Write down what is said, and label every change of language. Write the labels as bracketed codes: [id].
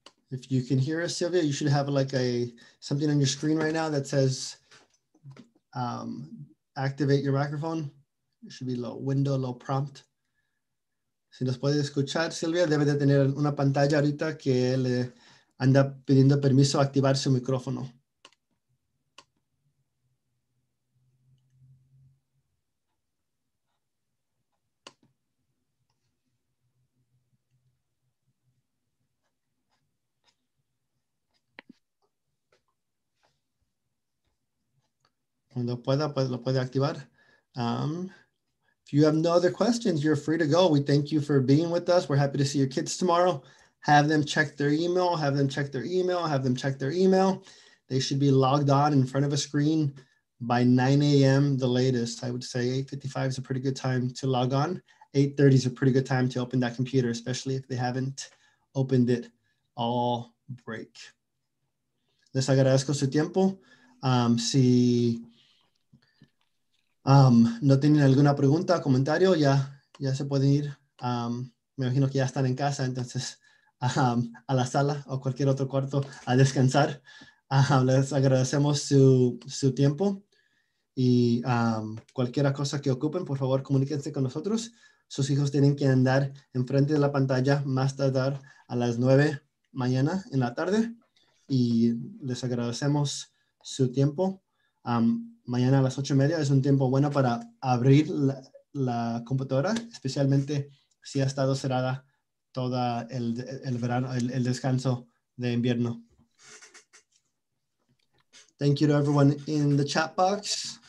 [en] If you can hear us, Silvia, you should have like a something on your screen right now that says activate your microphone. It should be low window, low prompt. [es] Si nos puede escuchar, Silvia, debe de tener una pantalla ahorita que le anda pidiendo permiso a activar su micrófono. Cuando pueda, pues lo puede activar. [en] If you have no other questions, you're free to go. We thank you for being with us. We're happy to see your kids tomorrow. Have them check their email. They should be logged on in front of a screen by 9 a.m. the latest. I would say 8:55 is a pretty good time to log on. 8:30 is a pretty good time to open that computer, especially if they haven't opened it all break. [es] Les agradezco su tiempo. No tienen alguna pregunta, comentario, ya se pueden ir. Me imagino que ya están en casa, entonces a la sala o cualquier otro cuarto a descansar. Les agradecemos su tiempo y cualquier cosa que ocupen, por favor, comuníquense con nosotros. Sus hijos tienen que andar enfrente de la pantalla más tardar a las 9 mañana en la tarde y les agradecemos su tiempo. Mañana a las 8:30 es un tiempo bueno para abrir la computadora, especialmente si ha estado cerrada todo el verano, el descanso de invierno. [en] Thank you to everyone in the chat box.